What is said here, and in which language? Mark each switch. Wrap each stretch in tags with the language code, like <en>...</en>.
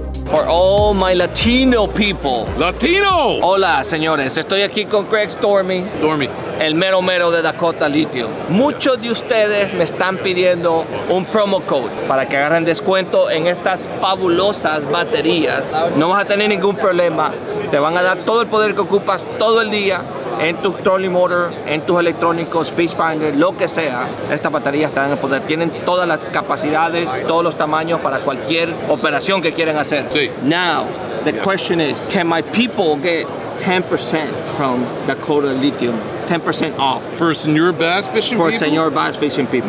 <en>For all my Latino people. Latino!</en> <es>Hola, señores. Estoy aquí con Craig Stormy. Stormy. El mero mero de Dakota Litio. Muchos de ustedes me están pidiendo un promo code para que agarren descuento en estas fabulosas baterías. No vas a tener ningún problema. Te van a dar todo el poder que ocupas todo el día en tu trolling motor, en tus electrónicos, fish finder, lo que sea. Estas baterías te dan el poder. Tienen todas las capacidades, todos los tamaños para cualquier operación que quieran hacer. Sí.</es> <en>Now, the question is, can my people get 10% from Dakota Lithium? 10% off. For senior bass fishing for people? For senior bass fishing people.</en>